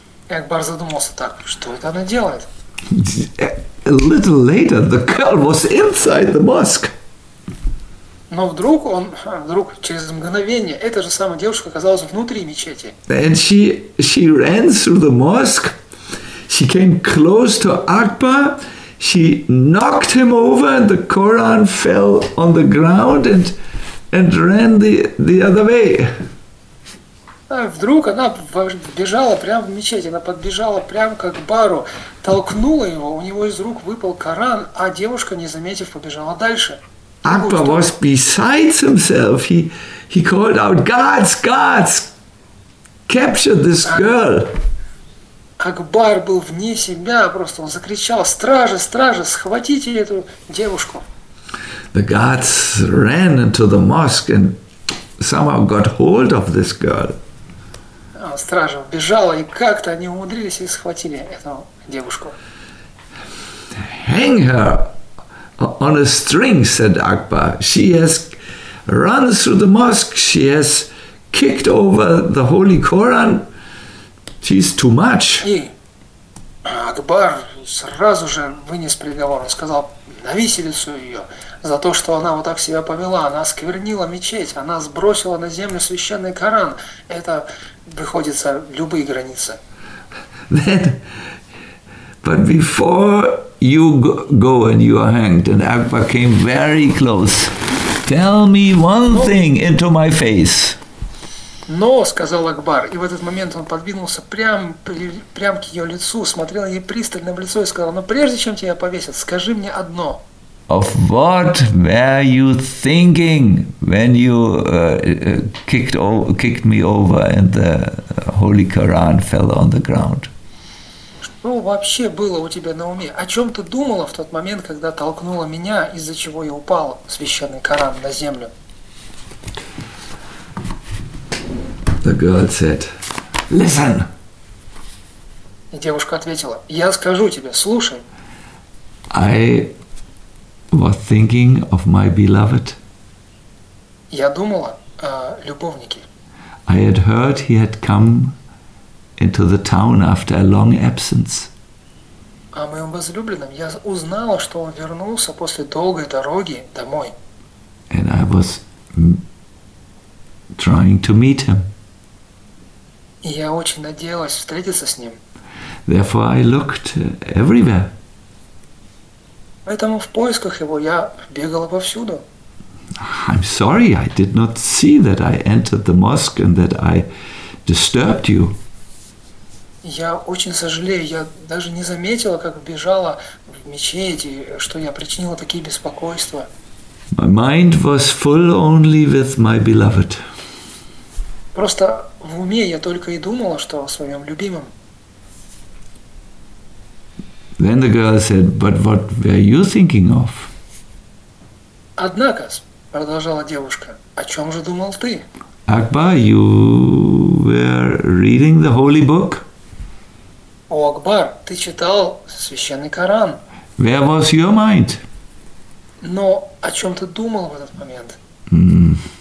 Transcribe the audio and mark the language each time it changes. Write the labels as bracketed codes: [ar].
[ru] Акбар задумался так, что это она делает? [en] A little later, the girl was inside the mosque. [ru] Но вдруг через мгновение эта же самая девушка оказалась внутри мечети. [en] And she ran through the mosque. She came close to Акбар. She knocked him over, and the Quran fell on the ground and ran the other way. [ru] Вдруг она бежала прямо в мечеть, она подбежала прямо к Акбару, толкнула его, у него из рук выпал Коран, а девушка, не заметив, побежала дальше. [en] Акбар was beside himself. He called out, "Guards, guards, capture this girl!" [ru] Акбар был вне себя, просто он закричал, "Стражи, стражи, схватите эту девушку!" [en] The guards ran into the mosque and somehow got hold of this girl. [ru] Стража убежала, и как-то они умудрились и схватили эту девушку. [en] Hang her on a string, said Akbar. She has run through the mosque. She has kicked over the Holy Quran. She's too much. [ru] И Акбар сразу же вынес приговор. Он сказал на виселицу ее за то, что она вот так себя повела. Она осквернила мечеть. Она сбросила на землю священный Коран. Это выходится любые границы. [en] Then, but before you go and you are hanged, and Akbar came very close, tell me one thing into my face. [ru] Но, сказал Акбар, и в этот момент он подвинулся прям к ее лицу, смотрел ей пристально в лицо и сказал, но прежде чем тебя повесят, скажи мне одно. [en] Of what were you thinking when you kicked me over and the Holy Quran fell on the ground? [ru] ну, вообще было у тебя на уме? О чем ты думала в тот момент, когда толкнула меня, из-за чего я упал, священный Коран, на землю? [en] The girl said, listen. [ru] И девушка ответила, я скажу тебе, слушай. [en] I was thinking of my beloved. [ru] Я думала о любовнике. [en] I had heard he had come into the town after a long absence. [ru] О моем возлюбленном я узнала, что он вернулся после долгой дороги домой. [en] And I was trying to meet him. [ru] И я очень надеялась встретиться с ним. [en] Therefore I looked everywhere. [ru] Поэтому в поисках его я бегала повсюду. [en] I'm sorry, I did not see that I entered the mosque and that I disturbed you. [ru] Я очень сожалею, я даже не заметила, как бежала в мечеть, что я причинила такие беспокойства. [en] My mind was full only with my beloved. [ru] Просто в уме я только и думала, что о своем любимом. [en] Then the girl said, but what were you thinking of? [ru] Однако, продолжала девушка, о чем же думал ты? [en] Акбар, you were reading the holy book? [ru] О, Акбар, ты читал священный Коран. [en] Where was your mind? [ru] Но о чем ты думал в этот момент?